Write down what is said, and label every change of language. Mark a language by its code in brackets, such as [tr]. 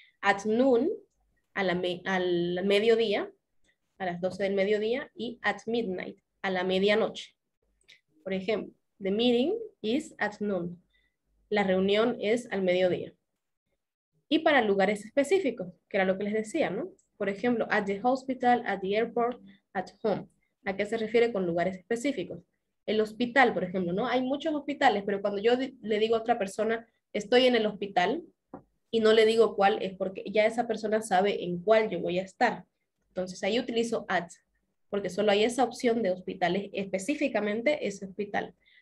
[en] At noon, [es] al mediodía, a las 12 del mediodía, y [en] at midnight, [es] a la medianoche. Por ejemplo, [en] the meeting is at noon. [es] La reunión es al mediodía. Y para lugares específicos, que era lo que les decía, ¿no? Por ejemplo, [en] at the hospital, at the airport, at home. [es] ¿A qué se refiere con lugares específicos? El hospital, por ejemplo, ¿no? Hay muchos hospitales, pero cuando yo le digo a otra persona, estoy en el hospital, y no le digo cuál, es porque ya esa persona sabe en cuál yo voy a estar. Entonces ahí utilizo at, porque solo hay esa opción de hospitales, específicamente ese hospital.